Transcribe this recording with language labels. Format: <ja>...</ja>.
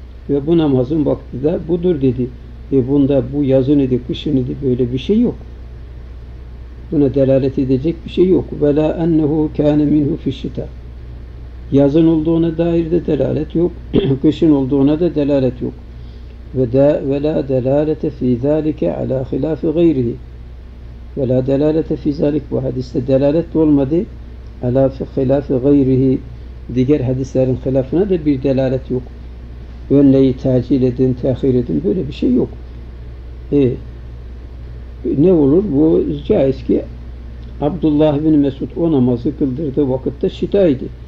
<tr>Ve bu namazın vakti de budur dedi. Ve bunda bu yazın idi, kışın idi, böyle bir şey yok. Buna delalet edecek bir şey yok.</tr> <ar>وَلَا أَنَّهُ كَانَ مِنْهُ فِي الشِّتَى,</ar> <tr>yazın olduğuna dair de delalet yok. Kışın olduğuna da delalet yok.</tr> <ar>وَلَا دَلَالَةَ ف۪ي ذَٰلِكَ عَلَى خِلَافِ غَيْرِهِ, وَلَا دَلَالَةَ ف۪ي ذَٰلِكَ,</ar> <tr>bu hadiste delalet olmadı.</tr> <ar>عَلَى خِلَافِ غَيْرِهِ,</ar> <tr>diğer hadislerin hilafına da bir delalet yok. Önleyi tacil edin, tehir edin, böyle bir şey yok. Ne olur? Bu caiz ki Abdullah bin Mesud o namazı kıldırdığı vakitte şitaydı.</tr>